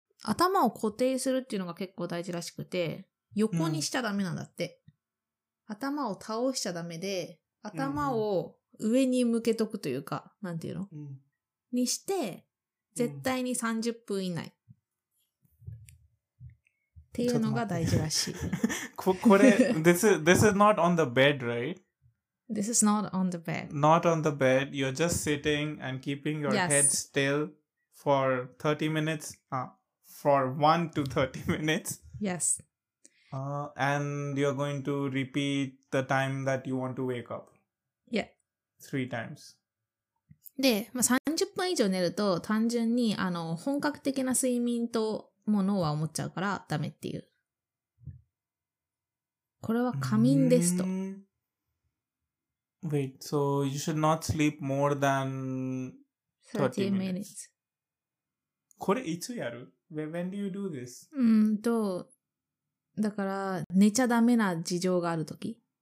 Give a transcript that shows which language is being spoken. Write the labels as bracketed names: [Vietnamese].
[Japanese] 頭を固定するっていうのが結構大事らしくて、横にしちゃダメなんだって。頭を倒しちゃダメで、頭を上に向けとくというか、なんていうの、にして、絶対に30分以内。っていうのが大事らしい。 [English] これ、this is not on the bed, right? This is not on the bed. Not on the bed. You're just sitting and keeping your head still for 30 minutes. For 1 to 30 minutes. Yes. And you're going to repeat the time that you want to wake up. Yeah. Three times. [Japanese] で、まあ、30分以上寝ると単純にあの本格的な睡眠とものは思っちゃうからダメっていう。これは仮眠ですと。 [English] Wait, so you should not sleep more than 30 minutes. [Japanese] これいつやる? [English] When do you do this? [Japanese] だから寝ちゃダメな事情があるとき。